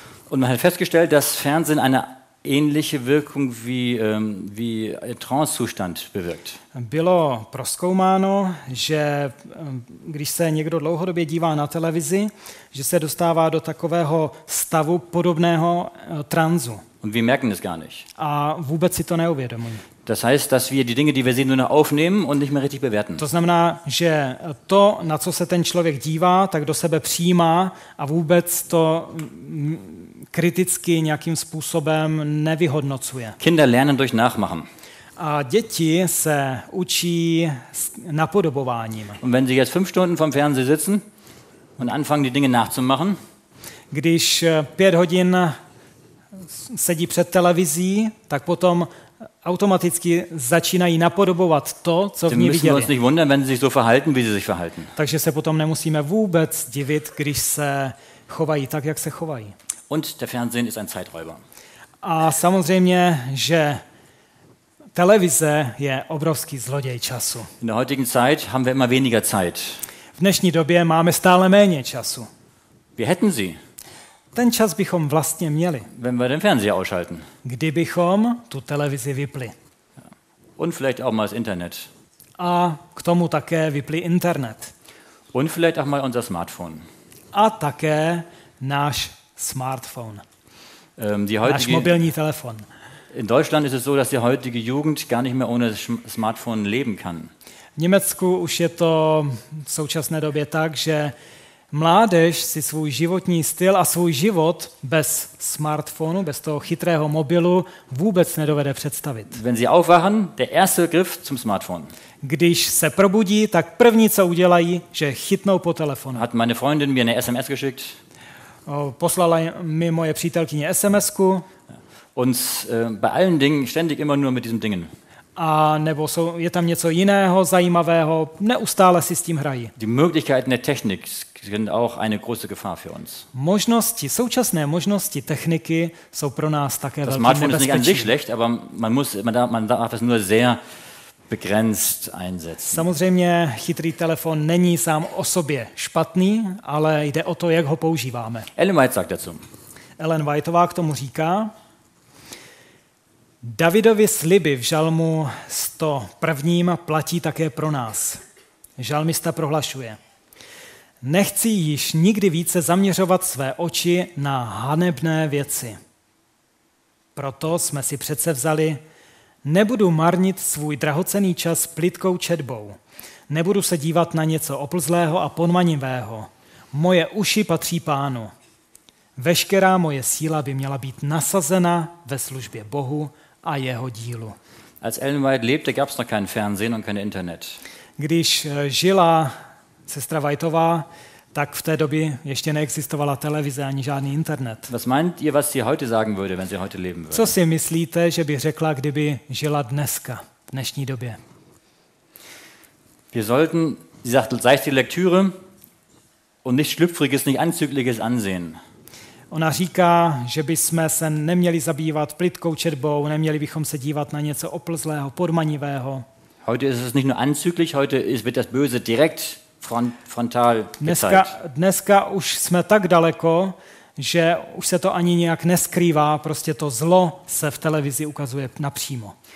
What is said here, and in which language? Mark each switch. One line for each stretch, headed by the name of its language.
German: Und man hat festgestellt, dass Fernsehen eine ähnliche Wirkung wie Trance-Zustand bewirkt.
Czech: Bylo prozkoumáno, že když se někdo dlouhodobě dívá na televizi, že se dostává do takového stavu podobného transu.
German: Und wir merken es gar nicht.
Czech: A vůbec si to neuvědomují.
German: Das heißt, dass wir die Dinge, die wir sehen, nur noch aufnehmen und nicht mehr richtig bewerten.
Czech: To znamená, že to, na co se ten člověk dívá, tak do sebe přijímá a vůbec to kriticky nějakým způsobem nevyhodnocuje.
German: Kinder lernen durch nachmachen.
Czech: A děti se učí napodobováním.
German: Und wenn sie jetzt 5 Stunden vom Fernseher sitzen und anfangen, die Dinge nachzumachen,
Czech: když 5 hodin sedí před televizí, tak potom automaticky začínají napodobovat to, co v ní viděli.
German: Müssen wir uns nicht wundern, wenn sie sich so verhalten, wie sie sich verhalten.
Czech: Takže se potom nemusíme vůbec divit, když se chovají tak, jak se chovají.
German: Und der Fernsehen ist ein Zeiträuber.
Czech: A samozřejmě, že televize je obrovský zloděj času.
German: In der heutigen Zeit haben wir immer weniger Zeit.
Czech: V dnešní době máme stále méně času.
German: Wir hätten sie.
Czech: Ten čas bychom vlastně měli.
German: Wenn wir den Fernseher ausschalten.
Czech: Kdybychom tu televizi vypli.
German: Und vielleicht auch mal das Internet.
Czech: A k tomu také vypli internet.
German: Und vielleicht auch mal unser Smartphone.
Czech: A také náš smartphone. Náš mobilní telefon.
German: In Deutschland ist es so, dass die heutige Jugend gar nicht mehr ohne smartphone leben kann.
Czech: V Německu už je to v současné době tak, že mládež si svůj životní styl a svůj život bez smartphonu, bez toho chytrého mobilu vůbec nedovede představit.
German: Wenn sie aufwachen, der erste Griff zum Smartphone.
Czech: Když se probudí, tak první, co udělají, že chytnou po telefonu.
German: Hat meine Freundin mir eine SMS geschickt.
Czech: Poslala mi moje přítelkyně SMSku.
German: Und bei allen Dingen ständig immer nur mit diesen Dingen.
Czech: A nebo jsou, je tam něco jiného zajímavého, neustále si s tím hrají.
German: Die Möglichkeiten der Technik sind auch eine große Gefahr für uns.
Czech: Možnosti, současné možnosti techniky jsou pro nás také velmi nebezpečné.
German: Das Smartphone ist nicht an sich schlecht, aber man darf es nur sehr begrenzt einsetzen.
Czech: Samozřejmě chytrý telefon není sám o sobě špatný, ale jde o to, jak ho používáme.
German: Ellen White sagt dazu.
Czech: Ellen Whiteová k tomu říká: Davidovy sliby v žalmu 101. platí také pro nás. Žalmista prohlašuje. Nechci již nikdy více zaměřovat své oči na hanebné věci. Proto jsme si předsevzali, nebudu marnit svůj drahocenný čas plytkou četbou. Nebudu se dívat na něco oplzlého a ponmanivého. Moje uši patří Pánu. Veškerá moje síla by měla být nasazena ve službě Bohu a jeho dílu.
German: Als Ellen White lebte, gab es noch kein Fernsehen und kein Internet.
Czech: Když žila sestra Whiteová, tak v té době ještě neexistovala televize ani žádný internet.
German: Was meint ihr, was sie heute sagen würde, wenn sie heute leben würde?
Czech: Co si myslíte, že by řekla, kdyby žila dneska, v dnešní době?
German: Wir sollten, sie sagt, seichte Lektüre und nicht schlüpfriges, nicht anzügliches ansehen.
Czech: Ona říká, že bychom se neměli zabývat plitkou četbou, neměli bychom se dívat na něco oplzlého, podmanivého.
German: Heute ist es nicht nur anzüglich, heute wird das Böse direkt frontal gezeigt.
Czech: Dneska už jsme tak daleko, že už se to ani nějak neskrývá, prostě to zlo se v televizi ukazuje napřímo.